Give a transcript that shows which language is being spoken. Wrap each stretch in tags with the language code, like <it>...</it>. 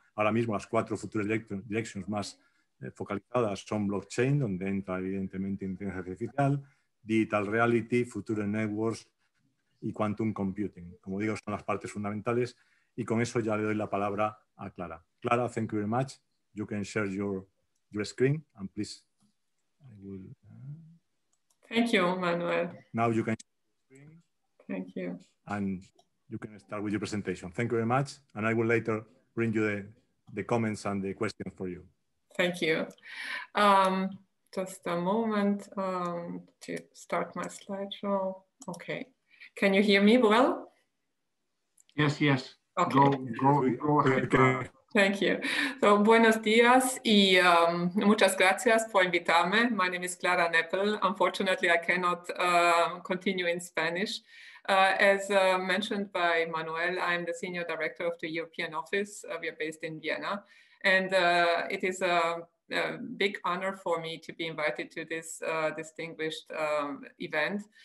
<es>Ahora mismo las cuatro futuras directions más focalizadas son blockchain, donde entra evidentemente inteligencia artificial, digital reality, future networks y quantum computing. Como digo, son las partes fundamentales, y con eso ya le doy la palabra a Clara.</es> <en>Clara, thank you very much. You can share your screen and please I will. Thank you, Manuel. Now you can share your screen. Thank you. And you can start with your presentation. Thank you very much. And I will later bring you the comments and the questions for you. Thank you. Just a moment to start my slideshow. Okay. Can you hear me well? Yes, yes. Okay. Go ahead. Thank you.</en> <es>So, buenos días y muchas gracias por invitarme.</es> <en>My name is Clara Neppel. Unfortunately, I cannot continue in Spanish. As mentioned by Manuel, I'm the senior director of the European office. We are based in Vienna. And it is a big honor for me to be invited to this distinguished event.</en>